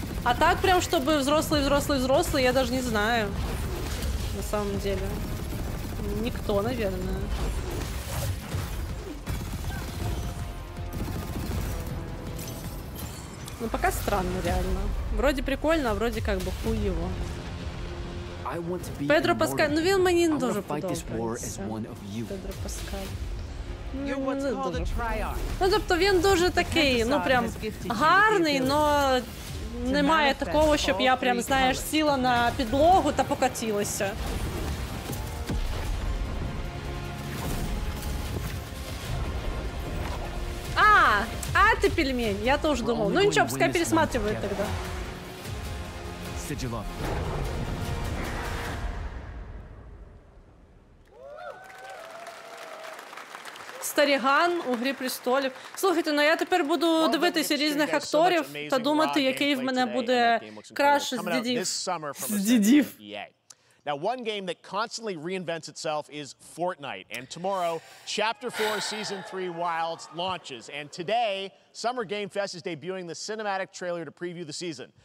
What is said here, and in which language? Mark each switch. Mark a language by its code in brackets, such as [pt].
[ru] А так прям, чтобы взрослый, я даже не знаю. На самом деле. Никто, наверное. Ну пока странно, реально. Вроде прикольно, а вроде как бы хуй его. [uk] Педро Паскаль, ну він мені не дуже подобається. Педро Паскаль. Ну, тобто він дуже такий, ну прям гарний, но немає такого, щоб я прям, знаєш, сіла на підлогу та покатилася. [ru] А ты пельмень, я тоже думал. Ну ничего, пускай пересматривает тогда. Сиджело. [uk] Старіган у «Грі престолів». Слухайте, ну я тепер буду дивитися різних акторів та думати, який в мене буде краще з дідів. [en] Now, one game that constantly reinvents itself is Fortnite. And tomorrow, Chapter 4, Season 3, Wilds launches. And today, Summer Game Fest is debuting the cinematic trailer to preview the season.